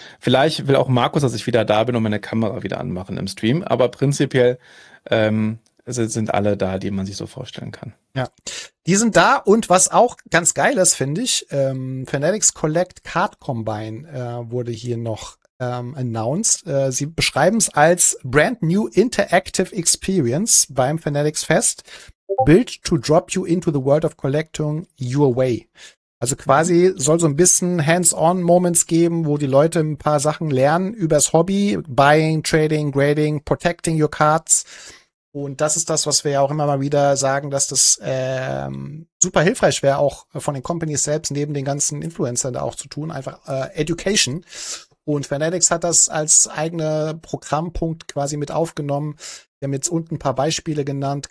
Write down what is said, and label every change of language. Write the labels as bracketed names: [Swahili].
[German] Vielleicht will auch Markus, dass ich wieder da bin und meine Kamera wieder anmachen im Stream, aber prinzipiell sind alle da, die man sich so vorstellen kann. Ja, die sind da, und was auch ganz geil ist, finde ich, Fanatics Collect Card Combine wurde hier noch announced. Sie beschreiben es als [English] Brand New Interactive Experience [German] beim Fanatics Fest. [English] Built to drop you into the world of collecting your way. [German] Also quasi soll so ein bisschen Hands-on-Moments geben, wo die Leute ein paar Sachen lernen übers Hobby. [English] Buying, trading, grading, protecting your cards. [German] Und das ist das, was wir ja auch immer mal wieder sagen, dass das super hilfreich wäre, auch von den Companies selbst, neben den ganzen Influencern da auch zu tun. Einfach Education. Und Fanatics hat das als eigene Programmpunkt quasi mit aufgenommen. Wir haben jetzt unten ein paar Beispiele genannt.